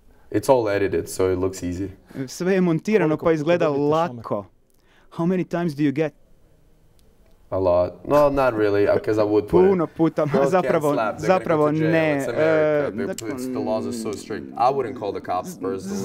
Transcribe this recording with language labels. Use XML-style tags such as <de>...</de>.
<en>It's all edited, so it looks easy.</en> <hr>Sve je montirano, koliko pa izgleda lako.</hr> <en>How many times do you get? A lot. No, not really, because I would put</en> <hr>puno puta,</hr> <en>it.</en> <hr>Zapravo ne.</hr> <en>I wouldn't call the cops personally.</en>